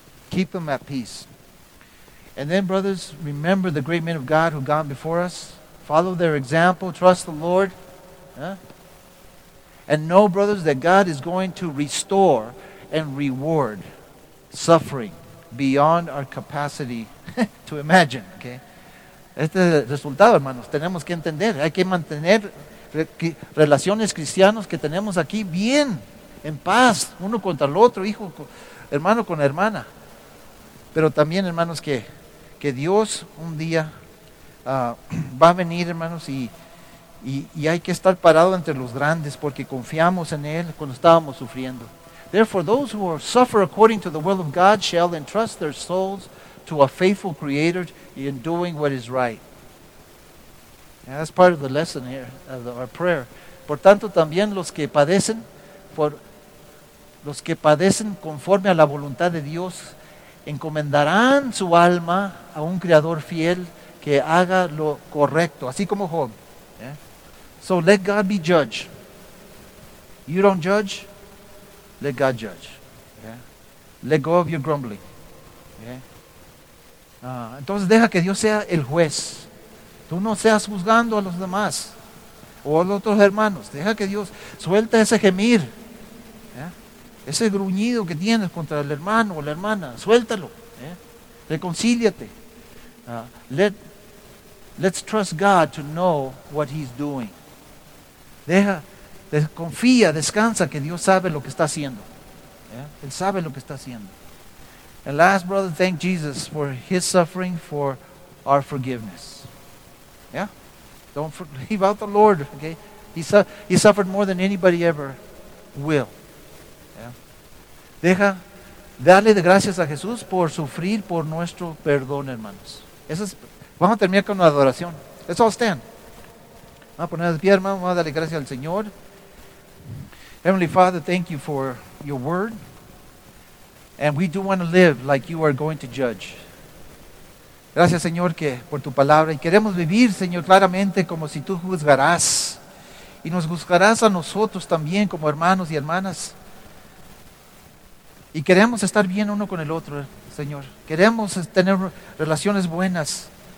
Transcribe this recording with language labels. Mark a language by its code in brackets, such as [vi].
[en] Keep them at peace. And then, brothers, remember the great men of God who gone before us. Follow their example. Trust the Lord. Yeah? And know, brothers, that God is going to restore and reward suffering beyond our capacity to imagine. [es] Okay? Este es el resultado, hermanos. Tenemos que entender. Hay que mantener relaciones cristianas que tenemos aquí bien, en paz, uno contra el otro, hijo, hermano con hermana. Pero también, hermanos, que Dios un día va a venir, hermanos, y hay que estar parado entre los grandes porque confiamos en Él cuando estábamos sufriendo. [en] Therefore, those who suffer according to the will of God shall entrust their souls to a faithful Creator in doing what is right. Yeah, that's part of the lesson here, our prayer. [es] Por tanto, también los que padecen conforme a la voluntad de Dios encomendarán su alma a un Creador fiel que haga lo correcto, así como Job. [en] Yeah? So let God be judge. You don't judge, let God judge. Yeah? Let go of your grumbling. [es] Yeah? Entonces deja que Dios sea el juez. Tú no seas juzgando a los demás o a los otros hermanos. Deja que Dios suelta ese gemir, ¿eh? Ese gruñido que tienes contra el hermano o la hermana. Suéltalo. ¿Eh? Reconcíliate. [en] Let's trust God to know what He's doing. [es] Deja, confía, descansa que Dios sabe lo que está haciendo. ¿Eh? Él sabe lo que está haciendo. [en] And last, brother, thank Jesus for His suffering for our forgiveness. Yeah, don't leave out the Lord. Okay, he suffered more than anybody ever will. [es] Yeah, deja, dale de gracias a Jesús por sufrir por nuestro perdón, hermanos. Eso es, vamos a terminar con una adoración. [en] Let's all stand. [es] Vamos a poner de pie, hermanos. Vamos a darle gracias al Señor. [en] Heavenly Father, thank you for your word, and we do want to live like you are going to judge. [es] Gracias, Señor, que por tu palabra. Y queremos vivir, Señor, claramente como si tú juzgarás. Y nos juzgarás a nosotros también como hermanos y hermanas. Y queremos estar bien uno con el otro, Señor. Queremos tener relaciones buenas.